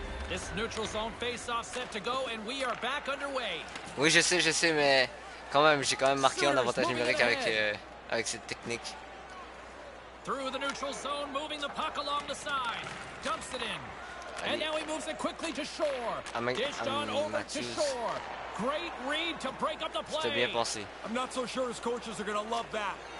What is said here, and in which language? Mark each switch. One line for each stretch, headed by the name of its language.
English: This neutral zone face-off set to go and we are back underway.
French: Oui, je sais, mais quand même, j'ai quand même marqué en avantage numérique avec cette technique.
English: Through the neutral zone, moving the puck along the side, dumps it in. And now he moves it quickly to Shore. Dished on over to Shore. Great read to break up the play.
French: Bien pensé.
English: I'm not so sure his coaches are going to love that.